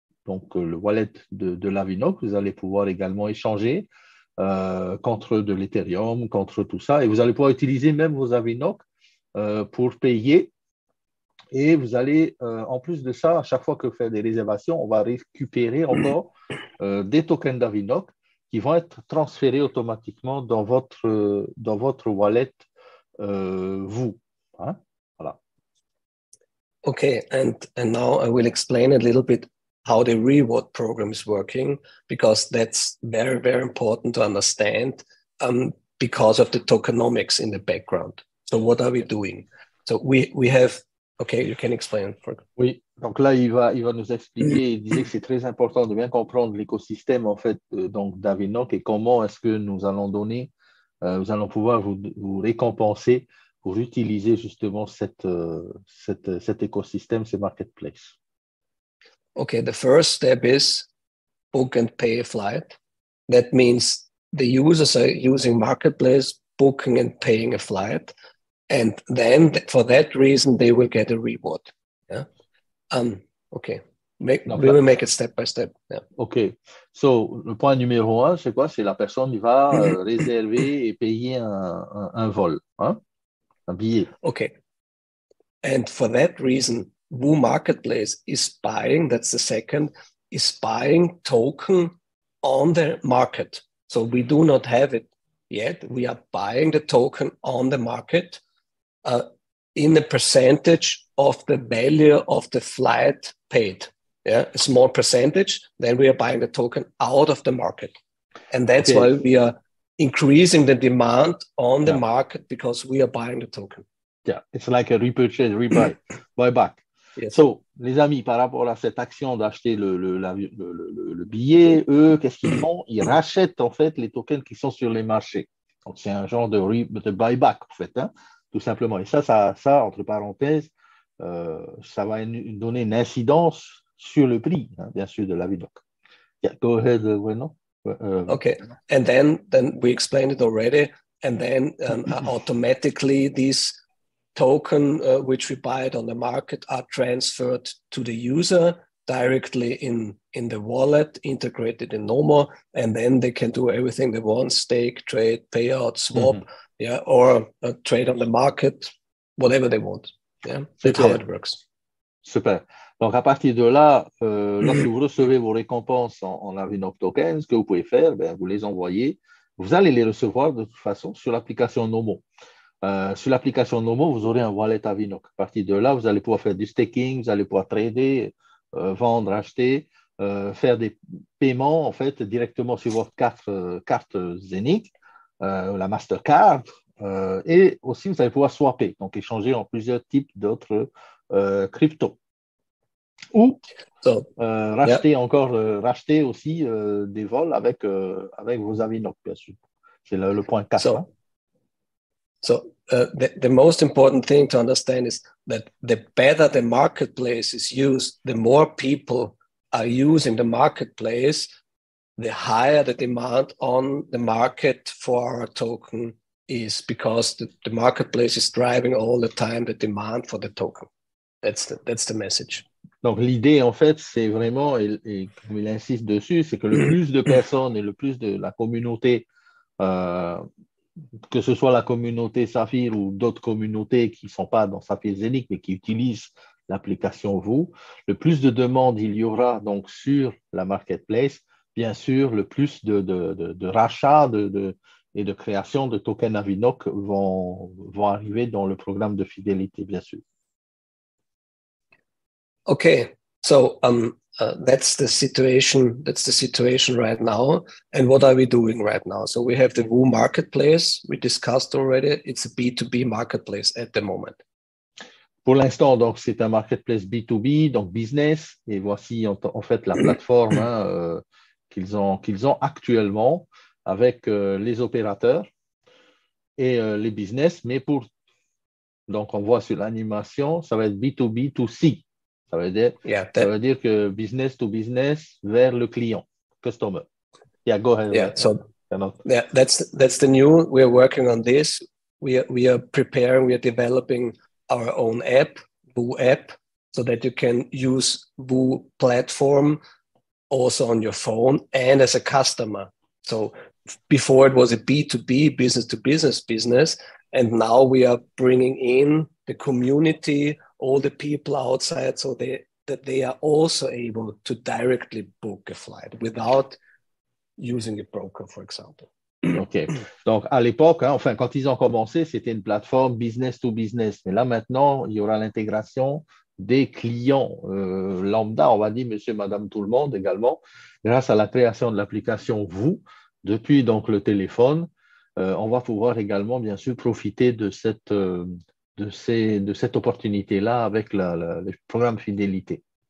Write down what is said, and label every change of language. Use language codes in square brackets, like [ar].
[fr] Donc, le wallet de l'Avinoc, vous allez pouvoir également échanger contre de l'Ethereum, contre tout ça. Et vous allez pouvoir utiliser même vos Avinoc pour payer. Et vous allez, en plus de ça, à chaque fois que vous faites des réservations, on va récupérer encore des tokens d'Avinoc qui vont être transférés automatiquement dans votre wallet Vous. Hein? [en] Okay, and now I will explain a little bit how the reward program is working, because that's very, very important to understand, because of the tokenomics in the background. So what are we doing? So we have, okay, you can explain for [fr] Oui, donc là, il va nous expliquer. Il disait que c'est très important de bien comprendre l'écosystème en fait, donc d'Avinoc et comment est-ce que nous allons donner, nous allons pouvoir vous récompenser pour utiliser justement cet écosystème, ce marketplace. [en] Okay, the first step is book and pay a flight. That means the users are using marketplace, booking and paying a flight, and then for that reason they will get a reward. Yeah. Okay. Donc We will make it step by step. Yeah. [fr] OK. So, le point numéro un, c'est quoi? C'est la personne qui va réserver et payer un vol, hein? Un billet. Okay. [en] And for that reason, Woo Marketplace is buying, that's the second, is buying token on the market. So we do not have it yet. We are buying the token on the market in the percentage of the value of the flight paid. yeah, a small percentage, then we are buying the token out of the market. And that's okay. why we are increasing the demand on the market because we are buying the token. Yeah, it's like a repurchase, rebuy, buy back. Yes. [fr] So, les amis, par rapport à cette action d'acheter le billet, eux, qu'est-ce qu'ils font? Ils rachètent, en fait, les tokens qui sont sur les marchés. Donc, c'est un genre de buyback, en fait, hein, tout simplement. Et ça, entre parenthèses, ça va donner une incidence sur le prix, hein, bien sûr, de l'Avinoc. [en] Yeah, go ahead, Bruno. Okay, and then we explained it already, and then automatically these token which we buy it on the market are transferred to the user directly in the wallet, integrated in Nomo, and then they can do everything they want: stake, trade, payout, swap, mm-hmm. yeah, or trade on the market, whatever they want. Yeah, that's how it works. [fr] Super. Donc, à partir de là, lorsque vous recevez vos récompenses en Avinoc tokens, ce que vous pouvez faire, ben, vous les envoyez. Vous allez les recevoir de toute façon sur l'application Nomo. Sur l'application Nomo, vous aurez un wallet Avinoc. À partir de là, vous allez pouvoir faire du staking, vous allez pouvoir trader, vendre, acheter, faire des paiements en fait, directement sur votre carte Zenith, la Mastercard, et aussi vous allez pouvoir swapper, donc échanger en plusieurs types d'autres crypto. Ou racheter aussi des vols avec vos Avinoc, bien sûr. C'est le point 4. So, hein. [en] So the most important thing to understand is that the better the marketplace is used, the more people are using the marketplace, the higher the demand on the market for our token is, because the marketplace is driving all the time the demand for the token. That's the message. [fr] Donc, l'idée, en fait, c'est vraiment, et comme il insiste dessus, c'est que le plus de personnes et le plus de la communauté, que ce soit la communauté Saphir ou d'autres communautés qui ne sont pas dans Saphir Zenith, mais qui utilisent l'application Vous, le plus de demandes il y aura donc sur la marketplace, bien sûr, le plus de rachats et de création de tokens Avinoc vont arriver dans le programme de fidélité, bien sûr. [en] Okay, so that's the situation right now. And what are we doing right now? So we have the Woo marketplace, we discussed already. It's a B2B marketplace at the moment. [fr] Pour l'instant, donc, c'est un marketplace B2B, donc business. Et voici en fait la plateforme hein, qu'ils ont actuellement avec les opérateurs et les business. Mais pour, donc on voit sur l'animation, ça va être B2B to C. Ça veut dire que business to business vers le client, customer. [en] Yeah, go ahead. Yeah, so that's the new. We are working on this. We are preparing. We are developing our own app, Woo app, so that you can use Woo platform also on your phone and as a customer. So before it was a B2B business, and now we are bringing in the community, all the people outside, so that they are also able to directly book a flight without using a broker, for example. OK. [fr] Donc, à l'époque, hein, enfin, quand ils ont commencé, c'était une plateforme business to business. Mais là, maintenant, il y aura l'intégration des clients lambda, on va dire monsieur, madame, tout le monde également, grâce à la création de l'application Vous, depuis donc le téléphone, on va pouvoir également, bien sûr, profiter de cette opportunité-là avec le programme Fidélité.